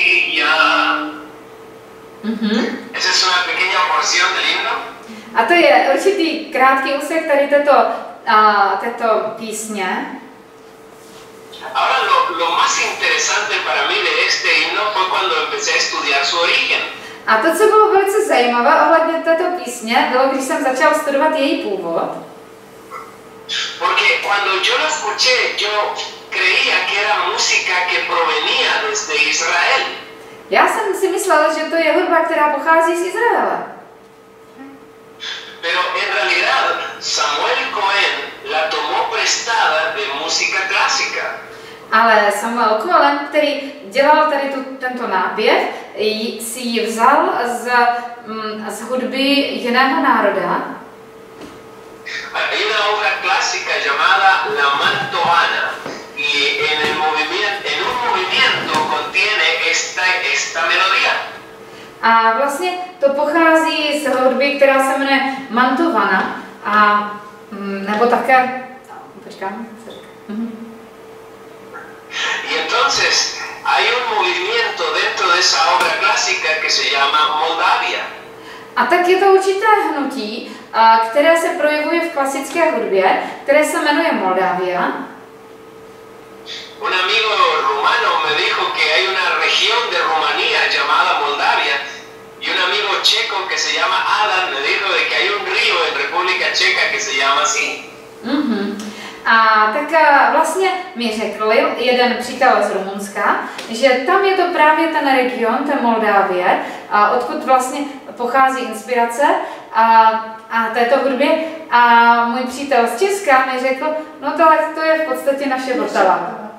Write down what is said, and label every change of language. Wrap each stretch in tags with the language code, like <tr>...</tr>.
<es>Esa es una pequeña porción del himno.</es> <cs>A to je určitý krátký úsek tady této, této písně.</cs> <es>Ahora lo más interesante para mí de este himno fue cuando empecé a estudiar su origen.</es> <cs>A to, co bylo velice zajímavé ohledně této písně, bylo, když jsem začal studovat její původ.</cs> <es>Porque cuando yo la escuché, yo creía que era música que provenía desde Israel.</es> <cs>Já jsem si myslel, že to je hudba, která pochází z Izraela.</cs> <es>Pero en realidad Samuel Cohen la tomó prestada de música clásica.</es> <cs>Ale Samuel Cohen, který dělal tady tento nápěv, si ji vzal z hudby jiného národa.</cs> <es>Hay una obra clásica llamada La Mantoana y en un movimiento contiene esta melodía.</es> <cs>A vlastně to pochází z hudby, která se jmenuje Mantovana, a nebo také, počkáme, co říká.</cs> <es>Y entonces hay un movimiento dentro de esa obra clásica que se llama Moldavia.</es> <cs>A tak je to určité hnutí, které se projevuje v klasické hudbě, které se jmenuje Moldavia.</cs> <es>Un amigo rumano me dijo que hay una región de Rumanía llamada Moldavia. Y un amigo checo que se llama Adam me dijo de que hay un río en República Checa que se llama así.</es> <cs>A tak vlastně mi řekl jeden přítel z Rumunska, že tam je to právě ten region, ten Moldávie, odkud vlastně pochází inspirace a této hudbě. A můj přítel z Česka mi řekl, no tohle to je v podstatě naše Vltava.</cs>